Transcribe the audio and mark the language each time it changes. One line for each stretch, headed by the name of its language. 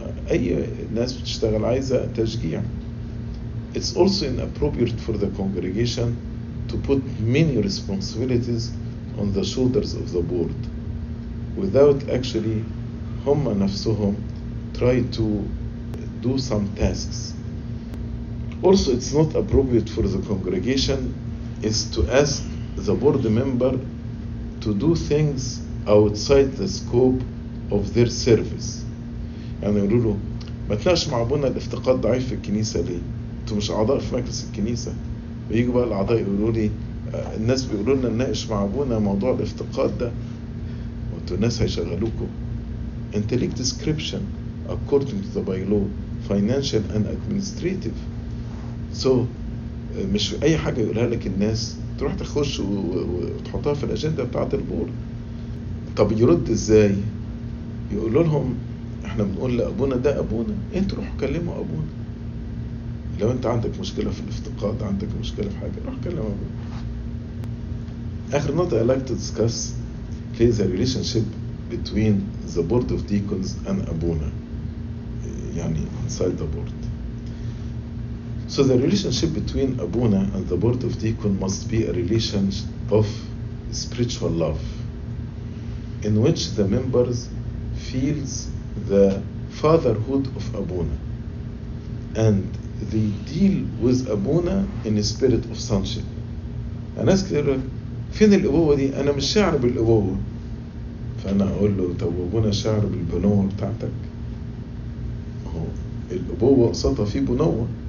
Arabic: أي ناس بتشتغل عايزة تشجيع.
English: It's also inappropriate for the congregation to put many responsibilities on the shoulders of the board without actually
Arabic: هم نفسهم
English: try to do some tasks. Also, it's not appropriate for the congregation is to ask the board member to do things outside the scope of their service.
Arabic: يعني يقولوا له ما تلاقش مع ابونا الافتقاد ضعيف في الكنيسة ليه؟ انتوا مش اعضاء في مجلس الكنيسة. ويجوا بقى الاعضاء يقولوا لي الناس بيقولوا لنا نناقش مع ابونا موضوع الافتقاد ده, وانتوا الناس هيشغلوكم. انت ليك
English: description according to the bylaw, financial and administrative.
Arabic: So مش اي حاجة يقولها لك الناس تروح تخش وتحطها في الاجندة بتاعت البورد. طب يرد ازاي؟ يقول لهم احنا بنقول لابونا ده ابونا, انت روح كلمه ابونا. لو انت عندك مشكلة في الافتقاد, عندك مشكلة في حاجة, روح كلم ابونا. اخر نقطة
English: I like to discuss is the relationship between the board of deacons and ابونا, يعني inside the board. So the relationship between Abuna and the Board of Deacon must be a relation of spiritual love in which the members feels the fatherhood of Abuna and they deal with Abuna in a spirit of sonship.
Arabic: الناس كتير فين الأبوة دي؟ أنا مش شاعر بالأبوة. فأنا أقول له طب أبونا شاعر بالبنوة بتاعتك؟ هو الأبوة قصتها في بنوة.